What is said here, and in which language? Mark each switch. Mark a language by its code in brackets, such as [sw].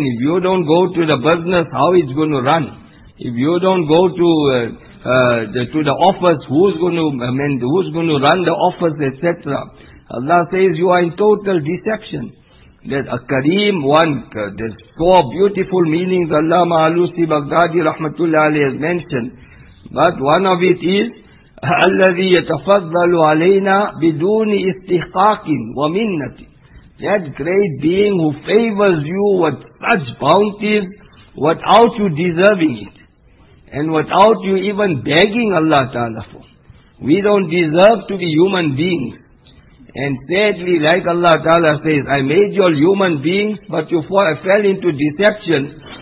[en] If you don't go to the business, how it's going to run? If you don't go to the office, who's going to run the office, etc.? Allah says you are in total deception. That a Kareem one, there's four beautiful meanings Allama Alusi Baghdadi Rahmatullah Ali has mentioned. But one of it is, [ar] الَّذِي يَتَفَضَّلُ عَلَيْنَا بِدُونِ إِسْتِحْقَاقٍ وَمِنَّةٍ. [en] That great being who favors you with such bounties without you deserving it. And without you even begging Allah Ta'ala for. We don't deserve to be human beings. And sadly, like Allah Ta'ala says, I made you all human beings, but you fell into deception.